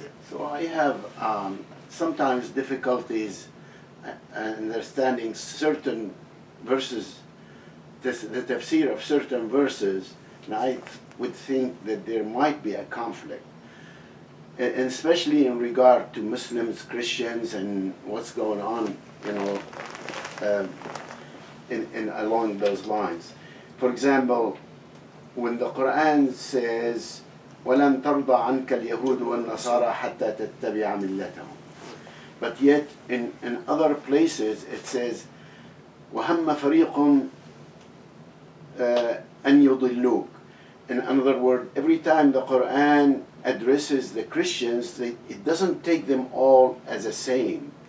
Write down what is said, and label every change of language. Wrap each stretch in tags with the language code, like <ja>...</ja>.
<en>So I have sometimes difficulties understanding certain verses, the tafsir of certain verses, and I would think that there might be a conflict, and especially in regard to Muslims, Christians, and what's going on, in along those lines. For example, when the Quran says,</en> <ar>وَلَنْ تَرْضَ عَنْكَ الْيَهُودُ وَالنَّصَارَى حَتَّى تَتَّبِعَ مِلَّتَهُمْ.</ar> <en>But yet, in other places, it says,</en> <ar>وَهَمَّ فَرِيقٌ أَنْ يُضِلُّوكَ.</ar> <en>In another word, every time the Quran addresses the Christians, it doesn't take them all as the same.</en>